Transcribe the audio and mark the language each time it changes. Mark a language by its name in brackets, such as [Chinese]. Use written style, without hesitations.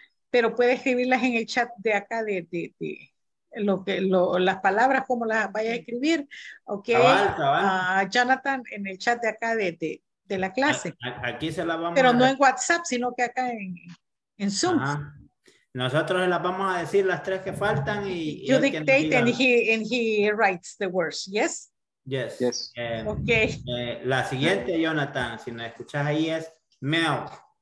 [Spanish] Pero puede escribirlas en el chat de acá, de lo que, las palabras, como las vaya a escribir. Ok. Cabal. Jonathan, en el chat de acá de la clase. Aquí se las vamos pero a... no en WhatsApp, sino que acá en Zoom. Ajá. Nosotros las vamos a decir las tres que faltan y [English] you dictate [Spanish] quien diga, [English] and he writes the words, yes? Yes. Yes. Okay. [Spanish] La siguiente, Jonathan, si nos escuchas ahí es milk.